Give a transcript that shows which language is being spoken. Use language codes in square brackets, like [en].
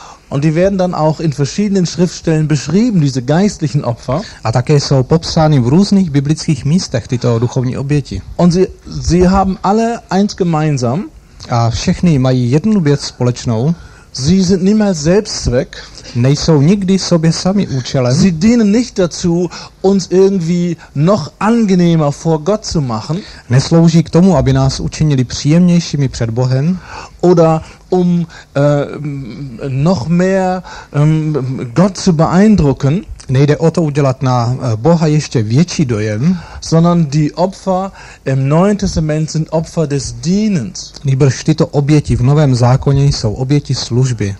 [de] Und die werden dann auch in verschiedenen Schriftstellen beschrieben, diese geistlichen Opfer. [cs] A také jsou popsány v různých biblických místech tyto duchovní oběti. [de] Und sie haben alle eins gemeinsam. [cs] A všechny mají jednu věc společnou. [de] Sie sind niemals Selbstzweck. [cs] Nejsou nikdy sobě sami účelem. [de] Sie dienen nicht dazu, uns irgendwie noch angenehmer vor Gott zu machen. [cs] Neslouží k tomu, aby nás učinili příjemnějšími před Bohem. [de] Oder um noch mehr Gott zu beeindrucken. [cs] Nejde o to udělat na Boha ještě větší dojem, [de] sondern die Opfer im Neuen Testament sind Opfer des Dienens. [cs] Nýbrž tyto oběti v Novém zákoně jsou oběti služby.